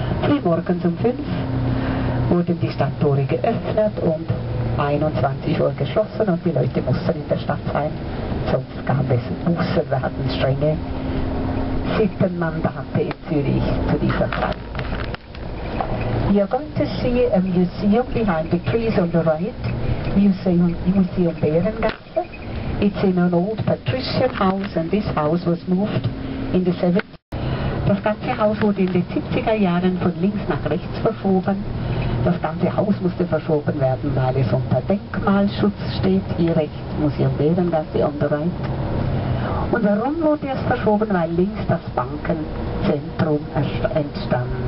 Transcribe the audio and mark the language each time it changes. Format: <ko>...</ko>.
<de>Früh morgens um 5 wurden die Stadttore geöffnet und 21 Uhr geschlossen und die Leute mussten in der Stadt sein. Sonst gab es Bussen, wir hatten strenge Sittenmandate in Zürich zu dieser Zeit.</de> <en>We are going to see a museum behind the trees on the right, Museum Bärengasse. It's in an old patrician house and this house was moved in the 70s.</en> <de>Das ganze Haus wurde in den 70er Jahren von links nach rechts verschoben. Das ganze Haus musste verschoben werden, weil es unter Denkmalschutz steht. Hier rechts Museum Bärengasse</de> <en>on the right.</en> <de>Und warum wurde es verschoben? Weil links das Bankenzentrum entstand.</de>